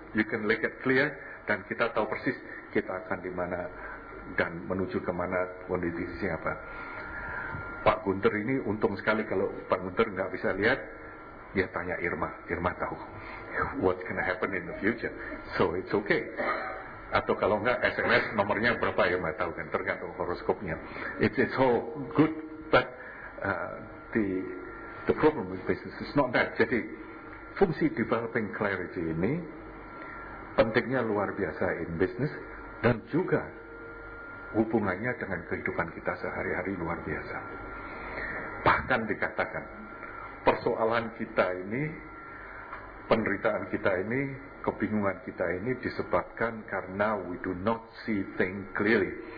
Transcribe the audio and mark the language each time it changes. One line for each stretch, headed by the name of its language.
English: You can look at clear
Indonesian: dan kita tahu persis kita akan di mana dan menuju ke mana, kondisinya apa. Pak Gunter ini untung sekali kalau Pak Gunter enggak bisa lihat, dia tanya Irma. Irma tahu
English: what's gonna happen in the future. So it's okay.
Indonesian: Atau kalau enggak SMS nomornya berapa Irma tahu kan, tergantung horoskopnya.
English: It's all good, but the problem with business is not that.
Indonesian: Jadi fungsi developing clarity ini pentingnya luar biasa
English: in business
Indonesian: dan juga hubungannya dengan kehidupan kita sehari-hari luar biasa. Bahkan dikatakan persoalan kita ini, penderitaan kita ini, kebingungan kita ini disebabkan karena
English: we do not see things clearly.